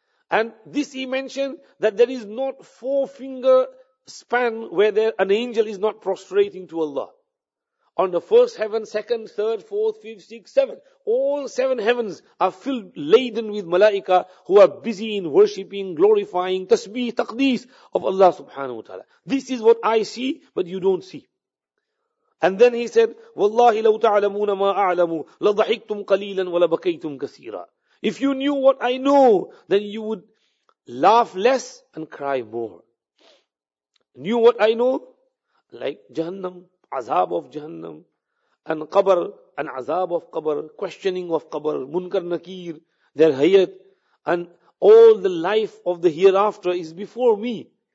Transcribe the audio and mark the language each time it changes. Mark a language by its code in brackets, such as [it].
[en] And this he mentioned that there is not four finger span where there an angel is not prostrating to Allah. On the first heaven, second, third, fourth, fifth, sixth, seventh. All seven heavens are filled, laden with malaika who are busy in worshipping, glorifying, tasbih, taqdees of Allah subhanahu wa ta'ala. This is what I see, but you don't see. [ar] And then he said, وَاللَّهِ لَوْ تَعْلَمُونَ مَا أَعْلَمُوا لَضَحِكْتُمْ قَلِيلًا وَلَبَكَيْتُمْ كَثِيرًا. [en] If you knew what I know, then you would laugh less and cry more. Knew what I know? Like Jahannam, Azab of Jahannam, and Qabr, and Azab of Qabr, questioning of Qabr, Munkar Nakir, their Hayat, and all the life of the hereafter is before me.